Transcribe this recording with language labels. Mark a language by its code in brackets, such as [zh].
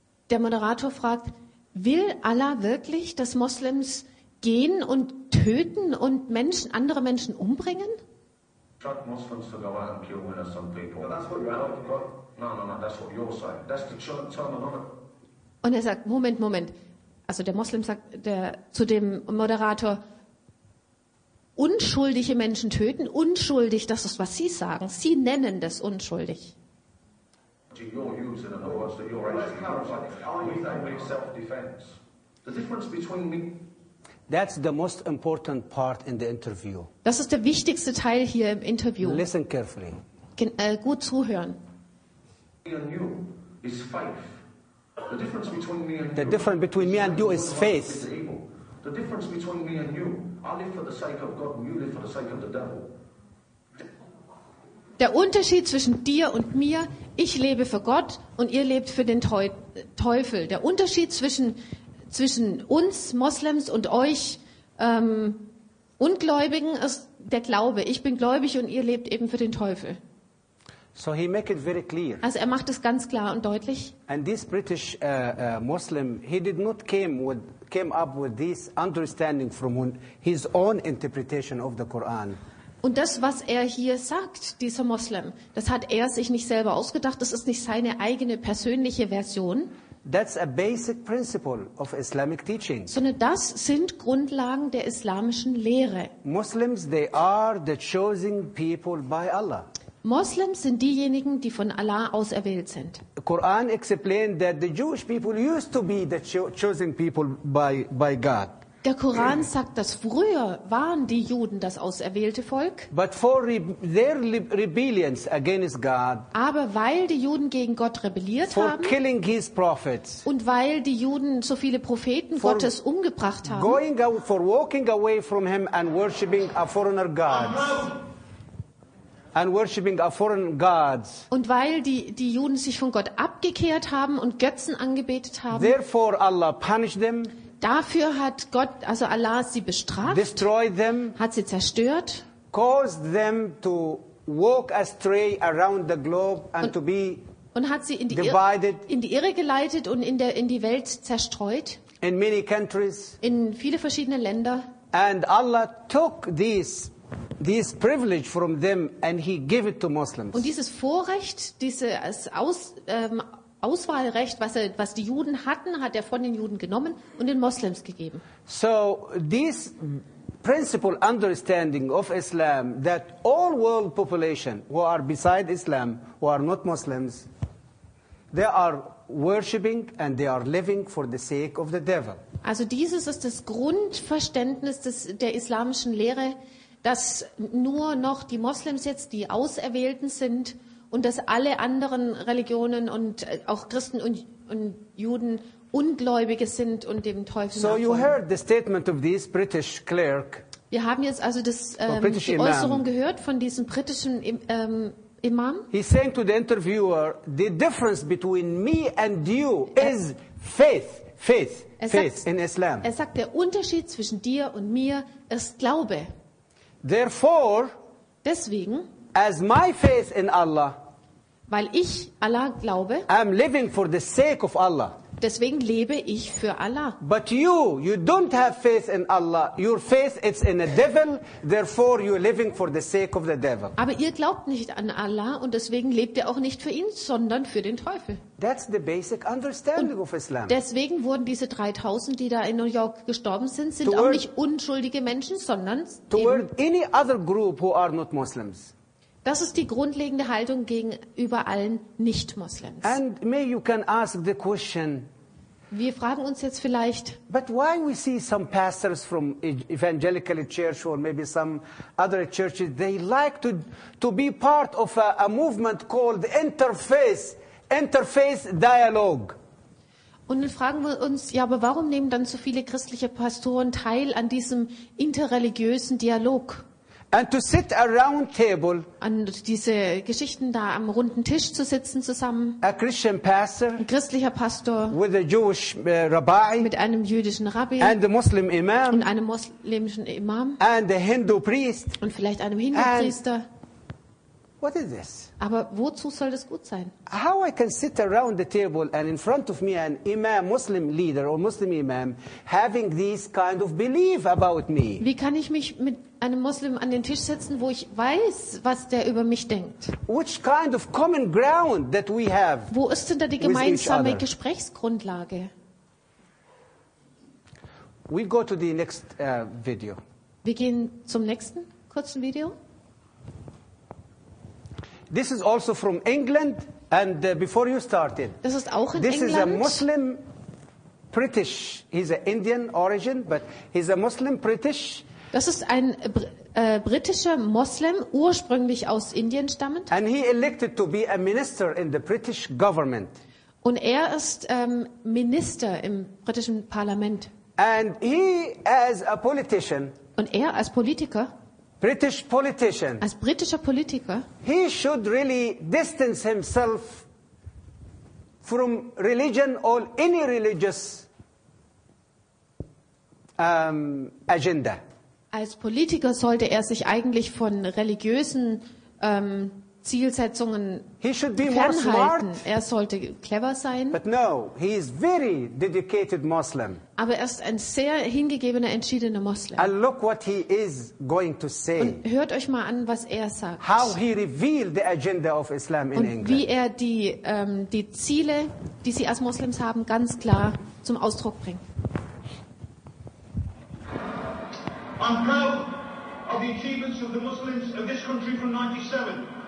[de] Der Moderator fragt, will Allah wirklich, dass Moslems gehen und töten und andere Menschen umbringen? [en] Trust Muslims to go out and kill innocent people. That's what you're saying. No, that's what you're saying. That's the terminology. [de] Und er sagt, Moment. Also der Moslem sagt zu dem Moderator, unschuldige Menschen töten, unschuldig, das ist, was Sie sagen. Sie nennen das unschuldig. [en] You're using in other words that you're self-defense. The difference between me. That's the most important part in the interview. [de] Das ist der wichtigste Teil hier im Interview. [en] Listen carefully. [de] Gut zuhören. [en] Me and you is faith. The difference between me and you. The difference between me and you is faith. The difference between me and you. I live for the sake of God, and you live for the sake of the devil. [de] Der Unterschied zwischen dir und mir, ich lebe für Gott und ihr lebt für den Teufel. Der Unterschied zwischen uns Moslems und euch Ungläubigen ist der Glaube. Ich bin gläubig und ihr lebt eben für den Teufel. [en] So he make it very clear. [de] Also er macht es ganz klar und deutlich. [en] And this British Muslim, he did not came up with this understanding from his own interpretation of the Quran. [de] Und das, was er hier sagt, dieser Muslim, das hat er sich nicht selber ausgedacht. Das ist nicht seine eigene persönliche Version. [en] That's a basic principle of Islamic teaching. [de] Sondern das sind Grundlagen der islamischen Lehre. [en] Muslims, they are the chosen people by Allah. [de] Moslems sind diejenigen, die von Allah auserwählt sind. [en] The Quran explained that the Jewish people used to be the chosen people by God. [de] Der Koran sagt, dass früher waren die Juden das auserwählte Volk. [en] But for their rebellions against God, [de] aber weil die Juden gegen Gott rebelliert [en] for [de] haben [en] killing his prophets, [de] und weil die Juden so viele Propheten [en] for [de] Gottes umgebracht haben, [en] going out for walking away from him and worshiping a foreigner gods. And worshiping a foreign gods. [de] Und weil die Juden sich von Gott abgekehrt haben und Götzen angebetet haben. [en] Therefore Allah punished them. [de] Dafür hat Gott, also Allah, sie bestraft. [en] Destroyed them. [de] Hat sie zerstört. [en] Caused them to walk astray around the globe and to be [de] und hat sie in die Irre geleitet und in die Welt zerstreut. [en] In many countries. [de] In viele verschiedene Länder. [en] And Allah took this privilege from them and he gave it to Muslims. [de] Und dieses Vorrecht, dieses Auswahlrecht, was die Juden hatten, hat er von den Juden genommen und den Moslems gegeben. [en] So this principle understanding of Islam that all world population who are beside Islam, who are not Muslims, they are worshiping and they are living for the sake of the devil. [de] Also dieses ist das Grundverständnis der islamischen Lehre, dass nur noch die Moslems jetzt die Auserwählten sind und dass alle anderen Religionen und auch Christen und Juden Ungläubige sind und dem Teufel so nachfolgen. [en] You heard the statement of this British clerk. [de] Wir haben jetzt also die Äußerung gehört von diesem britischen Imam. [en] He's saying to the interviewer, the difference between me and you is faith. Faith. Faith in Islam. [de] Er sagt, der Unterschied zwischen dir und mir ist Glaube. [en] Therefore, [de] deswegen, [en] as my faith in Allah, [de] weil ich Allah glaube, [en] I'm living for the sake of Allah. [de] Deswegen lebe ich für Allah. [en] But you don't have faith in Allah. Your faith is in the devil. Therefore, you're living for the sake of the devil. [de] Aber ihr glaubt nicht an Allah und deswegen lebt ihr auch nicht für ihn, sondern für den Teufel. [en] That's the basic understanding of Islam. [de] Deswegen wurden diese 3000, die da in New York gestorben sind auch nicht unschuldige Menschen, sondern [en] toward any other group who are not Muslims. [de] Das ist die grundlegende Haltung gegenüber allen Nicht-Moslems. [en] And may you can ask the question, [de] wir fragen uns jetzt vielleicht, [en] but why we see some pastors from evangelical church or maybe some other churches, they like to be part of a movement called interfaith dialogue. [de] Und dann fragen wir uns, ja, aber warum nehmen dann so viele christliche Pastoren teil an diesem interreligiösen Dialog? [en] And to sit around table, [de] an diese Geschichten da am runden Tisch zu sitzen zusammen, [en] a Christian pastor, [de] ein christlicher Pastor, [en] with a Jewish rabbi, [de] mit einem jüdischen Rabbi, [en] and a Muslim imam, [de] und einem muslimischen Imam, [en] and a Hindu priest, [de] und vielleicht einem Hindu-Priester. [en] What is this? [de] Aber wozu soll das gut sein? [en] How I can sit around the table and in front of me an imam, Muslim leader or Muslim imam, having this kind of belief about me? [de] Wie kann ich mich mit einem Muslim an den Tisch setzen, wo ich weiß, was der über mich denkt? [en] Which kind of common ground that we have? [de] Wo ist denn da die gemeinsame Gesprächsgrundlage? [en] We go to the next video. [de] Wir gehen zum nächsten kurzen Video. [en] This is also from England, and before you started, [de] das ist auch in [en] this [de] England. [en] Is a Muslim British, he's an Indian origin, but he's a Muslim British. [de] Das ist ein britischer Muslim, ursprünglich aus Indien stammend. [en] And he elected to be a minister in the British government. [de] Und er ist Minister im britischen Parlament. [en] And he as a politician. [de] Und er als Politiker. [en] British politician. [de] Als britischer Politiker. [en] He should really distance himself from religion or any religious agenda. [de] Als Politiker sollte er sich eigentlich von religiösen Zielsetzungen fernhalten. Er sollte clever sein. [en] But no, he is very dedicated Muslim. [de] Aber er ist ein sehr hingegebener, entschiedener Muslim. [en] And look what he is going to say. [de] Und hört euch mal an, was er sagt. [en] How he revealed the agenda of Islam in England. [de] Und wie er die, die Ziele, die sie als Muslims haben, ganz klar zum Ausdruck bringt. [en] I'm proud of the achievements of the Muslims of this country from 97.